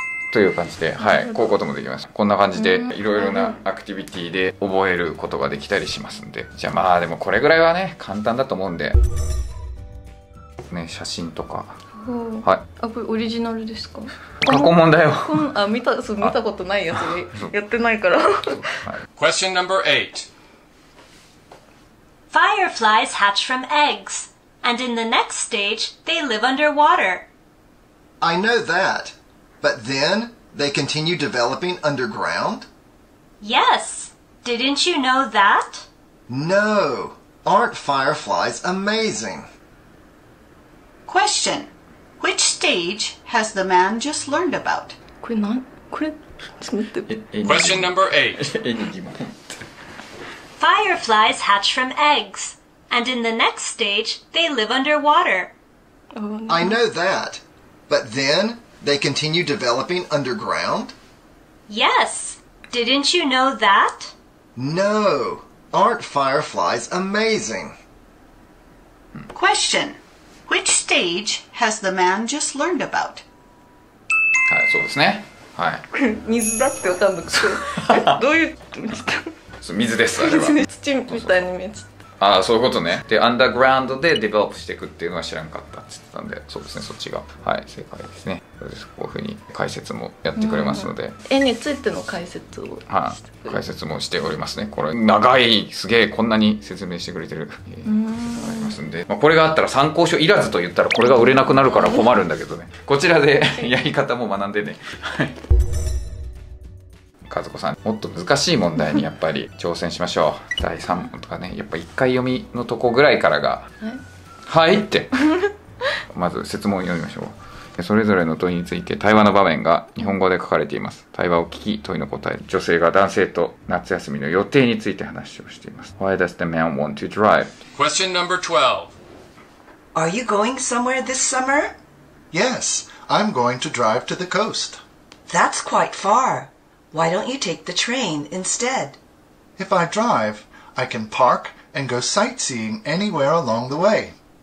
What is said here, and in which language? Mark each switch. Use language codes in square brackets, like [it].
[ja] という感じで、はい、こういうこともできます。こんな感じでいろいろなアクティビティで覚えることができたりしますんで、じゃあまあでもこれぐらいはね、簡単だと思うんでね、写真とか、はい、あ、これオリジナルですか？過去問題を、あ、見た、そう、見たことないやつでやってないから、はい、 [en] Question number 8. Fireflies hatch from eggs. And in the next stage, they live underwater. I know that. But then, they continue developing underground? Yes. Didn't you know that? No. Aren't fireflies amazing? Question. Which stage has the man just learned about? [ja] これなん、これ、ちょっと待って。 [en] Question number 8. Fireflies hatch from eggs. And in the next stage, they live underwater. I know that. But then, they continue developing underground? Yes. Didn't you know that? No. Aren't fireflies amazing? Question. Which stage has the man just learned about? [ja] はい、そうですね。はい。水だって分かんなくて。どういう水です、あれは。土みたいに見えちゃった。ああ、そういうことね。で、アンダーグラウンドでディベロップしていくっていうのは知らなかったって言ってたんで、そうですね、そっちが。はい、正解ですね。そうです。こういうふうに解説もやってくれますので。絵についての解説を。はい、解説もしておりますね。これ、長い、すげえ、こんなに説明してくれてる。ありますんで。まあ、これがあったら参考書いらずと言ったら、これが売れなくなるから困るんだけどね。こちらでやり方も学んでね。和子さん、もっと難しい問題にやっぱり挑戦しましょう。第3問とかね、やっぱ1回読みのとこぐらいからが、はいってまず質問読みましょう。それぞれの問いについて対話の場面が日本語で書かれています。対話を聞き、問いの答え、女性が男性と夏休みの予定について話をしています。 [en] Why does the man want to drive? Question number 12. Are you going somewhere this summer? Yes, I'm going to drive to the coast. That's quite farWhy don't you take the train instead? If I drive, I can park and go sightseeing anywhere along the way.